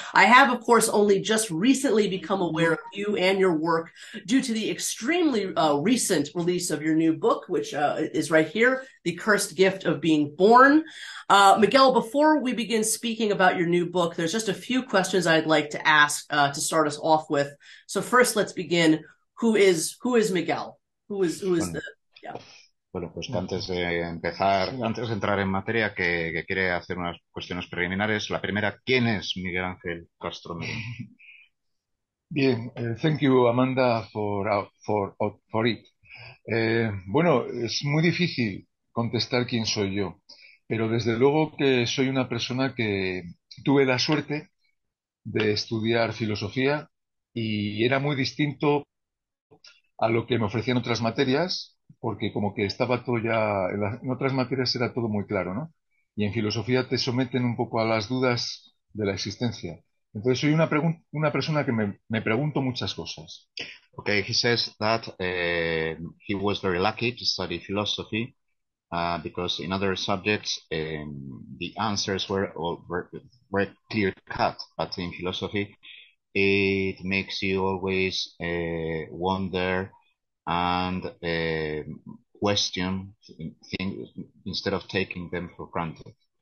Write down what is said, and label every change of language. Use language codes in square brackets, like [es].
[en] I have, of course, only just recently become aware of you and your work due to the extremely recent release of your new book, which is right here, The Cursed Gift of Being Born. Miguel, before we begin speaking about your new book, there's just a few questions I'd like to ask to start us off with. So first, let's begin. Who is Miguel? [es] Bueno, pues que antes de empezar, antes de entrar en materia, que quiere hacer unas cuestiones preliminares. La primera, ¿quién es Miguel Ángel Castro Moreno? [en] Bien, thank you, Amanda, for it. [es] Bueno, es muy difícil contestar quién soy yo, pero desde luego que soy una persona que tuve la suerte de estudiar filosofía. Y era muy distinto a lo que me ofrecían otras materias, porque como que estaba todo ya, en otras materias era todo muy claro, ¿no? Y en filosofía te someten un poco a las dudas de la existencia. Entonces soy una persona que me pregunto muchas cosas. [en] Okay, he says that he was very lucky to study philosophy, because in other subjects the answers were clear cut, but in philosophy it makes you always wonder and question things instead of taking them for granted.